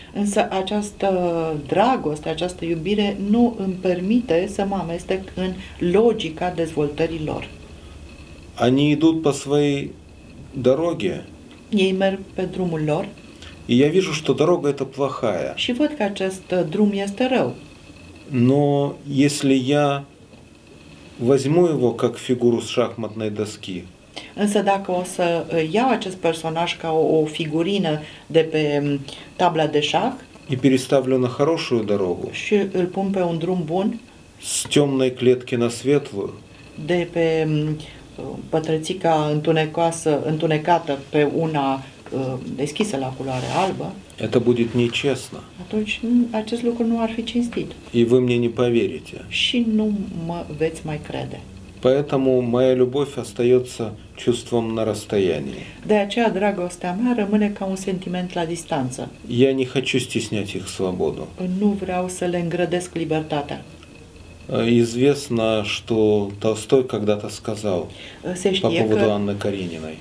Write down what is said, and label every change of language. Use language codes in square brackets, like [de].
[ro] Însă această dragoste, această iubire nu îmi permite să mă amestec în logica dezvoltării lor. [ru] Они идут по своей дороге. [ro] Ei merg pe drumul lor. [ru] И я вижу, что дорога эта плохая. [ro] Și văd că acest drum este rău. [ru] Но если я Возьму его как фигуру с шахматной доски. [ro] Însă dacă o să iau acest personaj ca o figurină de pe tabla de șah, [ru] и переставлю на хорошую дорогу. [ro] Și îl pun pe un drum bun. [ru] С темной клетки на светлую. [ro] De pe pătrățica întunecoasă, întunecată pe una deschisă la culoare albă. [ru] Это будет нечестно. [ro] Atunci acest lucru nu ar fi cinstit. [ru] И вы мне не поверите. [ro] Și nu mă veți mai crede. [ru] Поэтому моя любовь остается чувством на расстоянии. [ro] De aceea dragostea mea rămâne ca un sentiment la distanță. [ru] Я не хочу стеснять их свободу. [ro] Nu vreau să le îngrădesc libertatea. [ru] Известно, что Толстой когда-то сказал по поводу Анны Карениной.